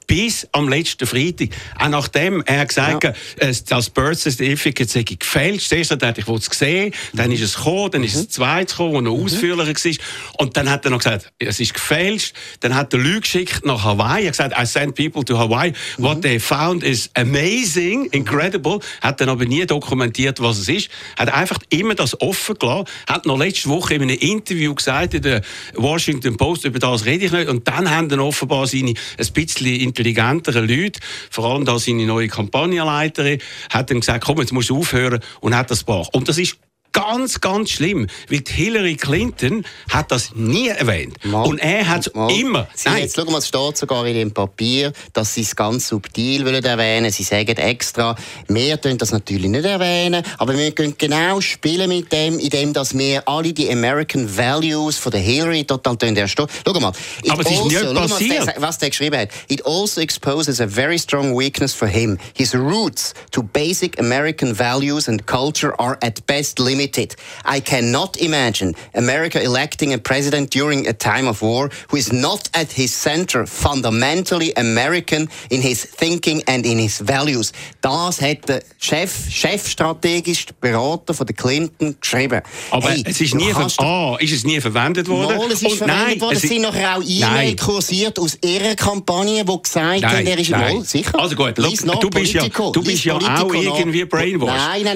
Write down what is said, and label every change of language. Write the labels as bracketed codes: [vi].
[de] Bis am letzten Freitag. Auch nachdem er gesagt hat, das Birth Certificate sei gefälscht. Zuerst hat er gesagt, ich will es sehen. Dann ist es gekommen, dann ist es zweit gekommen, wo noch ausführlicher war. Und dann hat er noch gesagt, es ist gefälscht. Dann hat er Leute geschickt nach Hawaii. Er hat gesagt, [en] I send people to Hawaii. What they found is amazing, incredible. [de] Hat dann aber nie dokumentiert, was es ist. Hat einfach immer das offen gelassen. Hat noch letzte Woche in einem Interview gesagt, in der Washington Post, über das rede ich nicht. Und dann haben dann offenbar seine ein bisschen intelligenteren Leute, vor allem da seine neue Kampagnenleiterin, hat dann gesagt, komm, jetzt musst du aufhören und hat das gebracht. Und das ist ganz, ganz schlimm, weil Hillary Clinton hat das nie erwähnt. Mal, und er hat es immer. Sie, jetzt schau mal, es steht sogar in dem Papier, dass sie es ganz subtil wollen erwähnen. Sie sagen extra, wir dürfen das natürlich nicht erwähnen, aber wir können genau spielen mit dem, indem dass wir alle die American Values von der Hillary total erstellen. Schau mal. Aber es ist nicht passiert. Mal, was der geschrieben hat. [en] It also exposes a very strong weakness for him. His roots to basic American values and culture are at best limited. I cannot imagine America electing a president during a time of war who is not at his center fundamentally American in his thinking and in his values. [de] Das hat der Chefstrategisch Berater von der Clinton geschrieben. Aber hey, es ist nie, ist es nie verwendet worden? Mal, es ist und verwendet nein, worden. Es sind noch auch E-Mail kursiert aus ihrer Kampagne, die gesagt hat, er ist wohl sicher. Also gut, du bist ja auch irgendwie brainwashed.